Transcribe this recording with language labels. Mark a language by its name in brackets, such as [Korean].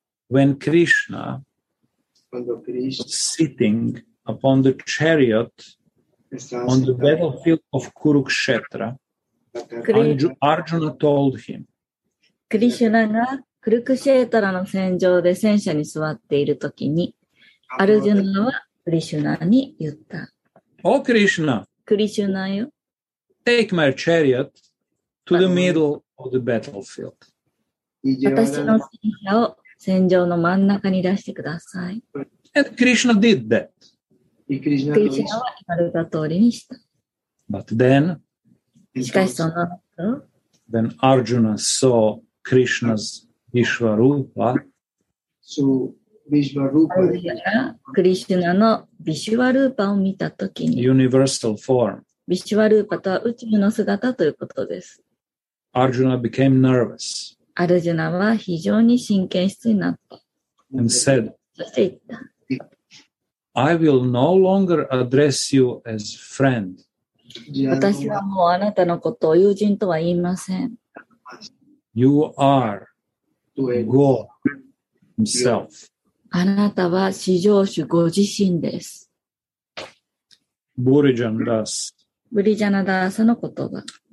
[English] When Krishna was sitting upon the chariot on the battlefield of Kurukshetra, Arjuna told him, [Japanese] クリシュナがクルクシェトラの戦場で戦車に座っているときに、アルジュナはクリシュナに言った。 [English] O Krishna, [Japanese] クリシュナよ、 [English] take my chariot to the middle of the battlefield. [Japanese] 私の戦車を戦場の真ん中に出してください。 [English] And Krishna did that. [Japanese] クリシュナは言われた通りにした。 [English] But then, [Japanese] しかしその後、 [English] when Arjuna saw Krishna's Vishwarupa, [Japanese] クリシュナのヴィシュワルーパを見たときに、 [English] universal form, [Japanese] ヴィシュワルーパとは宇宙の姿ということです。 [English] Arjuna became nervous. [Japanese] アルジュナは非常に神経質になった。 [English] And said, [Japanese] そして言った。 [English] I will no longer address you as friend. [Japanese] 私はもうあなたのことを友人とは言いません。 [English] You are God himself. [Japanese] あなたは至上主ご自身です。ブリジャナダース。ブリジャナダースの言葉。